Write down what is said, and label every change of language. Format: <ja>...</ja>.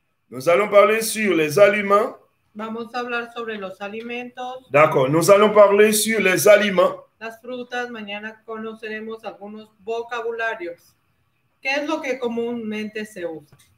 <fr>Nous allons parler sur les aliments.</fr> <es>Vamos a hablar sobre los alimentos.</es> <fr>D'accord, nous allons parler sur les aliments.</fr> <es>Las frutas, mañana conoceremos algunos vocabularios. ¿Qué es lo que comúnmente se usa?</es>